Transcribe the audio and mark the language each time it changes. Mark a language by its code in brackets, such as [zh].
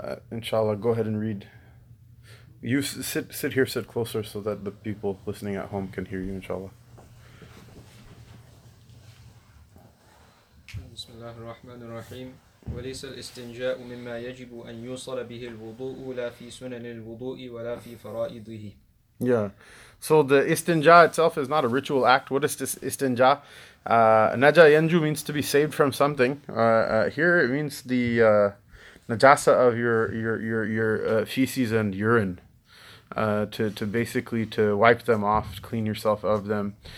[en] Inshallah, go ahead and read. You sit here, sit closer so that the people listening at home can hear you, inshallah. [ar] بسم الله الرحمن الرحيم وليس الاستنجاء مما يجب أن يوصل به الوضوء لا في سنن الوضوء ولا في فرائضه. [en] Yeah, so the istinja itself is not a ritual act. What is this istinja? Naja yanju means to be saved from something. Here it means the najasa of your feces and urine. To basically to wipe them off, to clean yourself of them.